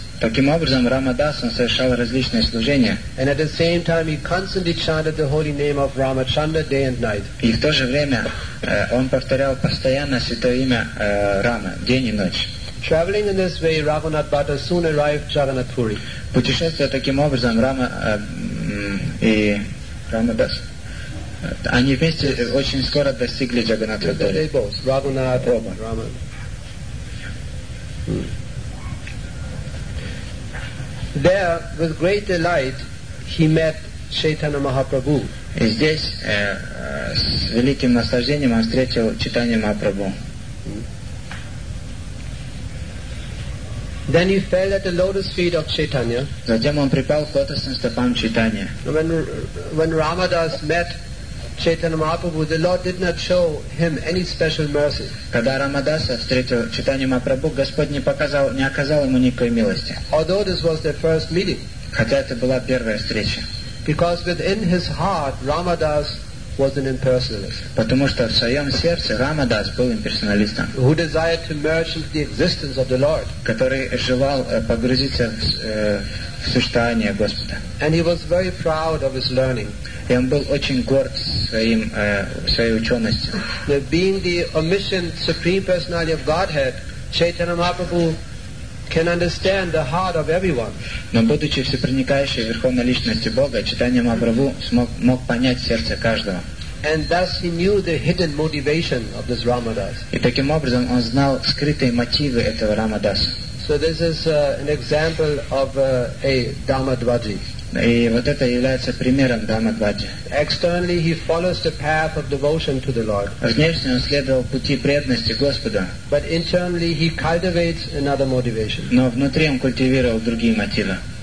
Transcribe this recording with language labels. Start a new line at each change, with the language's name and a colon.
Russian: Таким образом, Рамадас совершал различные служения.
English: And at the same time, he constantly chanted the holy name of Ramachandra day and night.
Russian: И в то же время он повторял постоянно святое имя Рама день и ночь.
English: Traveling in this way, Raghunath Bhatta soon arrived at Jagannath Puri.
Russian: Путешествуя таким образом, Рама и Рамадас, они вместе очень скоро достигли Джаганатха Пури.
English: They both, Raghunath and Rama. There, with great delight, he met Chaitanya Mahaprabhu.
Russian: И здесь с великим наслаждением он встретил Чайтанья Махапрабху.
English: Then he fell at the lotus feet of Chaitanya.
Russian: Затем он припал к лотосным стопам Чайтанья.
English: When Ramadas met Chaitanya Mahaprabhu, the Lord did not show him any special mercy.
Russian: Когда Рамадаса встретил Чайтанья Махапрабху, Господь не оказал ему никакой милости.
English: Although this was their first meeting.
Russian: Хотя это была первая встреча.
English: Because within his heart, Ramadas was an impersonalist.
Russian: Потому что в своем сердце Рамадас был имперсоналистом.
English: Who desired to merge into the existence of the Lord.
Russian: Который желал погрузиться в существование Господа.
English: And he was very proud of his learning.
Russian: И он был очень горд своей ученостью.
English: Being the omniscient supreme personality of Godhead, Chaitanya Mahaprabhu can understand the heart of everyone.
Russian: Но будучи всепроникающей верховной личностью Бога, Чайтанья Махапрабху мог понять сердце каждого.
English: And thus he knew the hidden motivation of this Ramadas.
Russian: И таким образом он знал скрытые мотивы этого Рамадаса.
English: So this is an example of a Dhammadvaji.
Russian: И вот это является примером Дхаммадваджи.
English: Externally he follows the path of devotion to the Lord.
Russian: Внешне он следовал пути преданности Господа.
English: But internally he cultivates another motivation.
Russian: Но внутри он культивировал другие мотивы.